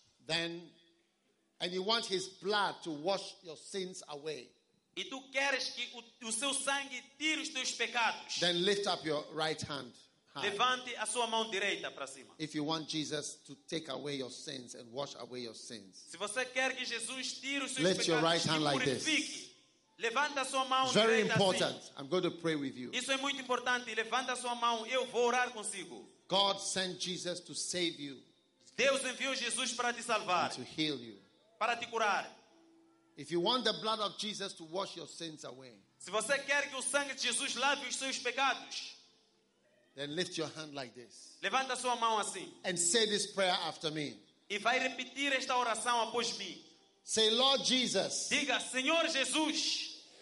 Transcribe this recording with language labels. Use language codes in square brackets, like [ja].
[en] then and you want his blood to wash your sins away. [pt] E tu queres que o seu sangue tire os teus pecados? [en] Then lift up your right hand. [pt] Levante a sua mão direita para cima. [en] If you want Jesus to take away your sins and wash away your sins. [pt] Se você quer que Jesus tire os seus [en] lift [pt] pecados, [en] your right hand like this. [pt] Levanta a sua mão [en] Very [pt] direita. [en] Very important. [pt] Assim. [en] I'm going to pray with you. [pt] Isso é muito importante. Levanta a sua mão. Eu vou orar consigo. [en] God sent Jesus to save you. [pt] Deus enviou Jesus para te salvar. [en] And to heal you. [pt] Para te curar. [en] If you want the blood of Jesus to wash your sins away. [pt] Se você quer que o sangue de Jesus lave os seus pecados. [en] Then lift your hand like this. [pt] Levanta sua mão assim. [en] And say this prayer after me. [pt] E vai repetir esta oração após mim. [en] Say, Lord Jesus. [pt] Diga, Senhor Jesus.